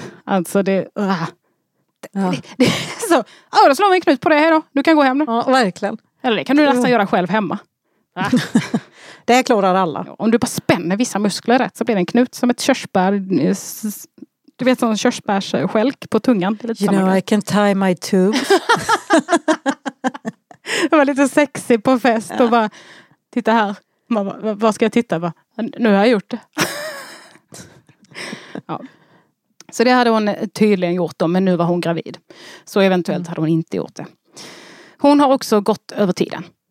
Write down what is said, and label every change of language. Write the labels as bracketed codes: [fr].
[sv] Alltså det... Det är så. Då slår vi en knut på det här då. Du kan gå hem nu. Ja, verkligen. Eller det kan du nästan göra själv hemma. Det klarar alla. Om du bara spänner vissa muskler rätt så blir det en knut som ett körsbär. Du vet, som en körsbärsskälk på tungan. Lite [en] you know, [sv] grej. [en] I can tie my tube. [sv] Jag var lite sexy på fest och bara, titta här. Vad ska jag titta? Nu har jag gjort det. Ja. Så det hade hon tydligen gjort då, men nu var hon gravid. Så eventuellt hade hon inte gjort det. Hon har också gått över tiden.